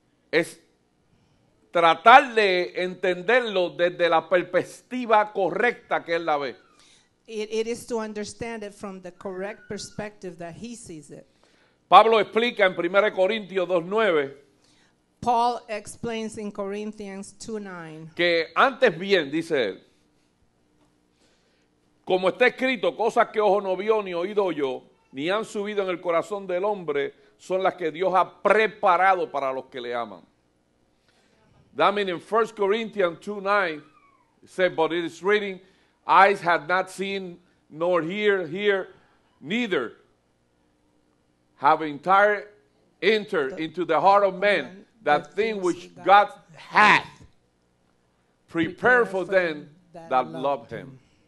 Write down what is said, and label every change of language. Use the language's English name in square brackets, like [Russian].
[Spanish] Es tratar de entenderlo desde la perspectiva correcta que él la ve. [English] It is to understand it from the correct perspective that he sees it. [Spanish] Pablo explica en 1 Corintios 2:9. [English] Paul explains in Corinthians 2:9. [Spanish] Que antes bien, dice él, como está escrito, cosas que ojo no vio ni oído yo, ni han subido en el corazón del hombre, son las que Dios ha preparado para los que le aman. [English] That means in 1 Corinthians 2:9, it says, but it is written, eyes have not seen, nor hear, neither have entered into the heart of men that thing which God hath prepared for them that love him.